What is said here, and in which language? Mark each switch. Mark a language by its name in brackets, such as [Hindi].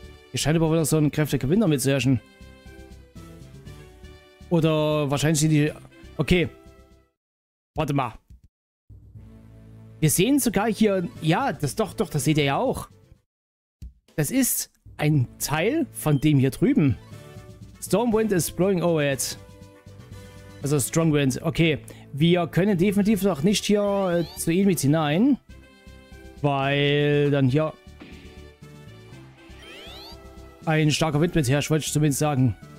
[German] Hier scheint aber wieder so ein kräftiger Gewinner mit zu herrschen. Oder wahrscheinlich sind die... okay. Warte mal. Wir sehen sogar hier... ja, das doch, das seht ihr ja auch. Das ist ein Teil von dem hier drüben. [English] Stormwind is blowing over it. [German] Also Strongwind, okay. Wir können definitiv noch nicht hier zu ihm mit hinein. Weil dann hier... ein starker Wind mit herrscht, wollte ich zumindest sagen.